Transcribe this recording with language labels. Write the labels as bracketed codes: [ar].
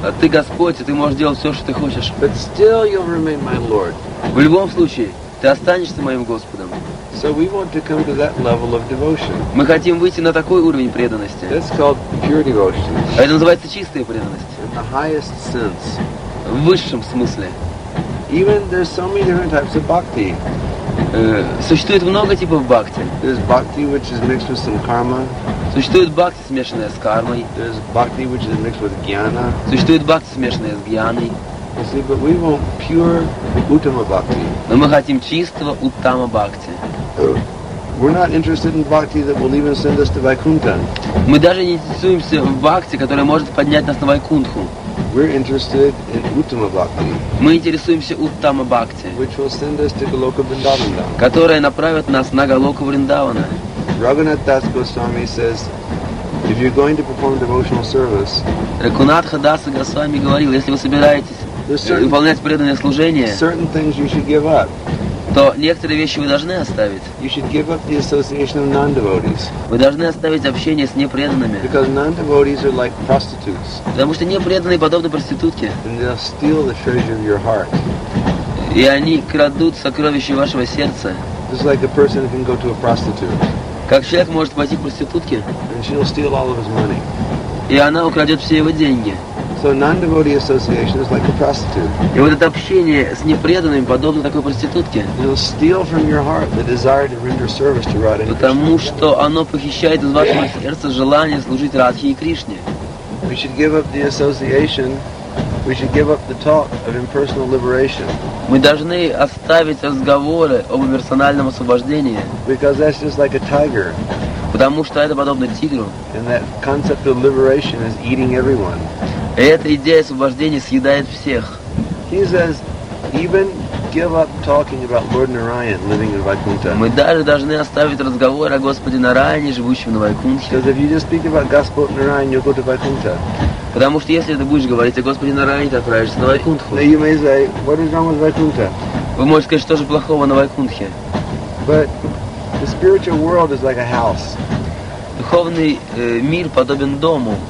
[ru] А ты Господь, и ты можешь делать все, что ты хочешь. [en] But still you'll remain my Lord. [ru] В любом случае, ты останешься моим Господом. [en] So we want to come to that level of devotion. [ru] Мы хотим выйти на такой уровень преданности. [en] That's called pure devotion. [ru] А это называется чистая преданность. [en] In the highest sense. [ru] В высшем смысле. [en] Even there's so many different types of bhakti. [ru] Существует много типов бхакти. [en] There's bhakti which is mixed with some karma. [ru] Существует бхакти, смешанная с кармой. [en] There's bhakti which is mixed with jnana. [ru] Существует бхакти, смешанная с гьяной. [en] You see, but we want pure uttama bhakti. [ru] Но мы хотим чистого уттама бхакти. [en] We're not interested in bhakti that will even send us to Vaikuntha. [ru] Мы даже не интересуемся в бхакти, которая может поднять нас на Вайкунтху. [en] We're interested in uttama bhakti. [ru] Мы интересуемся уттама бхакти. [en] Which will send us to Goloka Vrindavan. [ru] Которая направит нас на Голоку Вриндавана. [en] Raghunath Das Goswami says, if you're going to perform devotional service, [ru] Raghunatha Das Goswami говорил, если вы собираетесь выполнять преданное служение, [en] certain things you should give up. [ru] То некоторые вещи вы должны оставить. [en] You should give up the association of non-devotees. [ru] Вы должны оставить общение с непреданными. [en] Because non-devotees are like prostitutes. [ru] Потому что непреданные подобны проститутке. [en] And they'll steal the treasure of your heart. [ru] И они крадут сокровища вашего сердца. [en] Just like a person can go to a prostitute. [ru] Как человек может пойти к проститутке? [en] And she'll steal all of his money. [ru] И она украдет все его деньги. [en] So non-devotee association is like a prostitute. [ru] И вот это общение с непреданными подобно такой проститутке. [en] It'll steal from your heart the desire to render service to Radha. [ru] Потому что оно похищает из вашего сердца желание служить Радхе и Кришне. [en] We should give up the association. We should give up the talk of impersonal liberation. [ru] Мы должны оставить разговоры об имперсональном освобождении. [en] Because that's just like a tiger. [ru] Потому что это подобно тигру. [en] And that concept of liberation is eating everyone. [ru] И эта идея освобождения съедает всех. [en] He says, even give up talking about Lord Narayan living in Vaikuntha. [ru] Мы даже должны оставить разговор о Господе Нараяне, живущем на Вайкунте. [en] Because if you just speak about Gospel Narayan, you'll go to Vaikuntha. [ru] Потому что если ты будешь говорить о Господе Нараяне, ты отправишься на Вайкунтху. [en] Now you may say, what is wrong with Vaikuntha? [ru] Вы можете сказать, что же плохого на Вайкунтхе? [en] But the spiritual world is like a house. [ru] Духовный мир подобен дому.